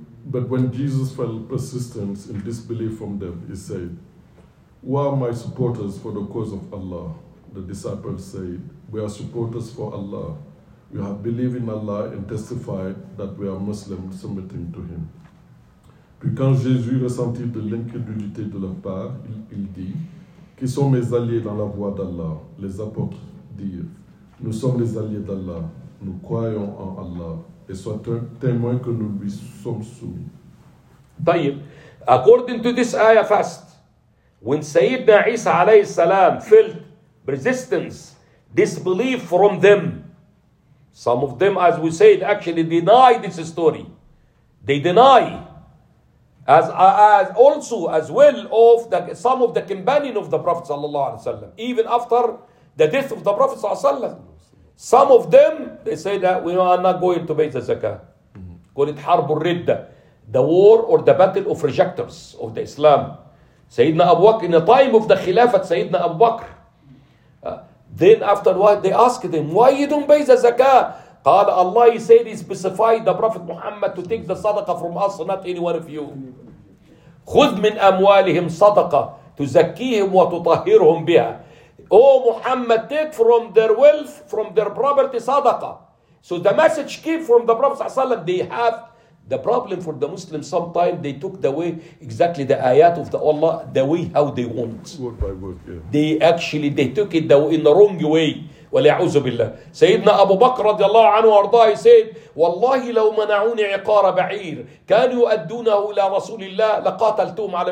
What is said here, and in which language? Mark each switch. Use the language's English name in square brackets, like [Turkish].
[English] But when Jesus felt persistence in disbelief from them, he said, "Who are my supporters for the cause of Allah?" The disciples said, "We are supporters for Allah. We have believed in Allah and testified that we are Muslims submitting to him." [French] Puis quand Jésus ressentit de l'incrédulité de leur part, il dit, "Qui sont mes alliés dans la voie d'Allah?" Les apôtres dirent, "Nous sommes les alliés d'Allah. Nous croyons en Allah. Et soit un témoin que nous lui sommes soumis." [English] طيب, according to this ayah fast, when Sayyidina Isa alayhi salam felt resistance, disbelief from them, some of them, as we said, actually deny this story. They deny, as well that some of the companion of the Prophet sallallahu alaihi wasallam, even after the death of the Prophet sallallahu alaihi wasallam, some of them they say that we are not going to pay the zakah. Call it harb al-ridda, the war or the battle of rejectors of the Islam. Sayyidina Abu Bakr, in the time of the Khilafat, Sayyidina Abu Bakr. Then after a while, they asked him, "Why you don't pay the zakah?" قال, "Allah, he said, he specified the Prophet Muhammad to take the sadaqah from us, not anyone of you. [Arabic] خذ من أموالهم صدقة تزكيهم وتطهرهم بها. [English] Oh Muhammad, take from their wealth, from their property, sadaqah." So the message came from the Prophet ﷺ. They have the problem for the Muslims. Sometimes they took the way, exactly the ayat of the Allah, the way how they want. Word by word, yeah. They took it in the wrong way. [Arabic] وليعوذ بالله. سيدنا أبو بكر رضي الله عنه وارضاه [English] said, [Arabic] "والله لو منعوني عقار بعير كانوا يؤدونه إلى رسول الله لقاتلتهم عليه."